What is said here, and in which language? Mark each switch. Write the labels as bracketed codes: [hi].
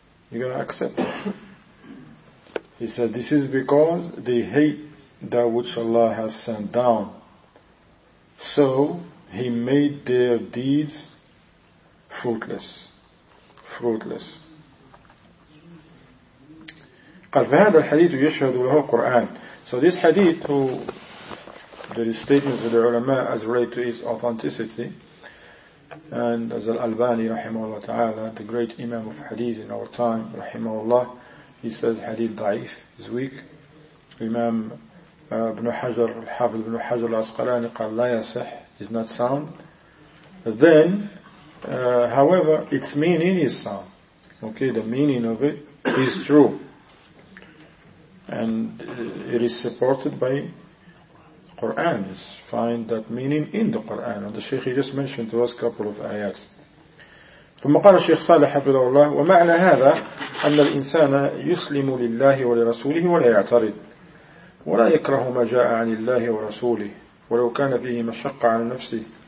[en] You're going to accept it. He said, this is because they hate that which Allah has sent down. So He made their deeds fruitless. [ar] قال فهذا الحديث يشهد له القرآن. [en] So this hadith, who the statement of the ulama as related to its authenticity, and as Al-Albani rahimahullah ta'ala, the great imam of hadith in our time rahimahullah, he says hadith da'if, is weak. Imam Ibn Hajar, Al-Hafidh Ibn Hajar Al-Asqalani, [ar] قال لا يصح, [en] is not sound. Then, however, its meaning is sound. Okay, the meaning of it is true. And it is supported by Quran. You find that meaning in the Quran. And the Shaykh, he just mentioned to us a couple of ayats. [ar] ثم قال الشيخ صالح حفظه الله ومعنى هذا أن الإنسان يسلم لله ولرسوله ولا يعترض ولا يكره ما جاء عن الله ورسوله ولو كان فيه مشقة على نفسه.